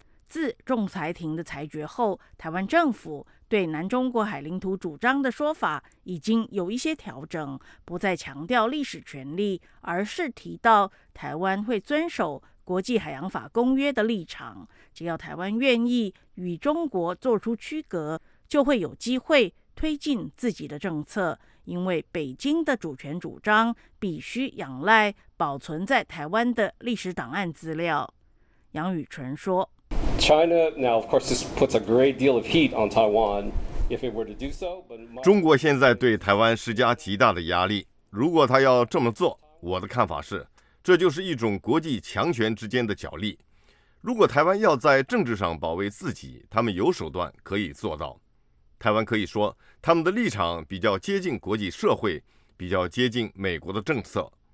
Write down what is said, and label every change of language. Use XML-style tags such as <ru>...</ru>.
<zh>自仲裁庭的裁决后，台湾政府对南中国海领土主张的说法已经有一些调整，不再强调历史权利，而是提到台湾会遵守国际海洋法公约的立场，只要台湾愿意与中国做出区隔，就会有机会推进自己的政策，因为北京的主权主张必须仰赖保存在台湾的历史档案资料。杨宇纯说，</zh> <en>China now of course this puts a great deal of heat on Taiwan if it were to do so, but</en> <zh>中国现在对台湾施加极大的压力，如果他要这么做，我的看法是，这就是一种国际强权之间的角力。如果台湾要在政治上保卫自己，他们有手段可以做到。台湾可以说，他们的立场比较接近国际社会，比较接近美国的政策。</zh>